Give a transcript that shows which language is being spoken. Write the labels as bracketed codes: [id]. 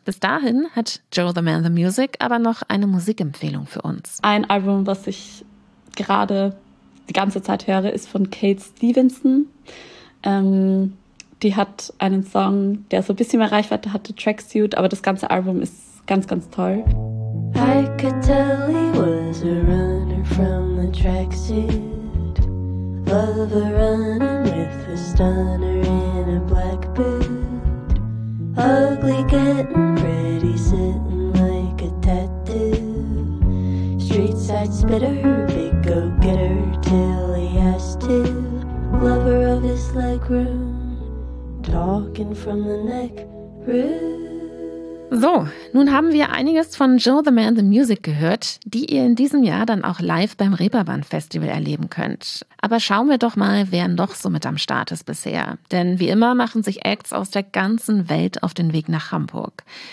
[de] Bis dahin hat Joe the Man the Music aber noch eine Musikempfehlung für uns. Ein Album, was ich gerade die ganze Zeit höre, ist von Kate Stevenson. Die hat einen Song, der so ein bisschen mehr Reichweite hatte, Tracksuit, aber das ganze Album ist ganz, ganz toll. [en] I could tell he was a runner from the tracksuit. Love a running with a stunner in a black boot. Ugly getting pretty, sitting like a tattoo. Street side spitter, big go-getter till he has to. Lover of his leg room, talking from the neck room. [de] So, nun haben wir einiges von Joe the Man the Music gehört, die ihr in diesem Jahr dann auch live beim Reeperbahn-Festival erleben könnt. Aber schauen wir doch mal, wer noch so mit am Start ist bisher. Denn wie immer machen sich Acts aus der ganzen Welt auf den Weg nach Hamburg.